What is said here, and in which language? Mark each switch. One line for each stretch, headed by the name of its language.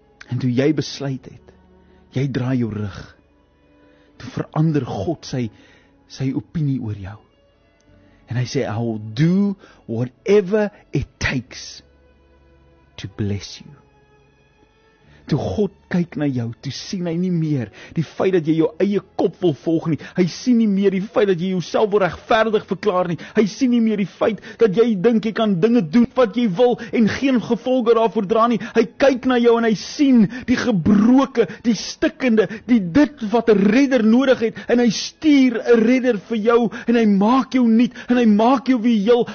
Afrikaans: En toe jy besluit het, jy draai jou rug, toe verander God sy opinie oor jou. En hy sê,
English: I will do whatever it takes to bless you.
Afrikaans: Toe God kyk na jou, toe sien hy nie meer die feit dat jy jou eie kop wil volg nie. Hy sien nie meer die feit dat jy jouself wil regverdig verklaar nie. Hy sien nie meer die feit dat jy dink jy kan dinge doen wat jy wil en geen gevolge daarvoor dra nie. Hy kyk na jou en hy sien die gebroke, die stikkende, die dit wat 'n redder nodig het en hy stuur 'n redder vir jou en hy maak jou nuut en hy maak jou weer heel.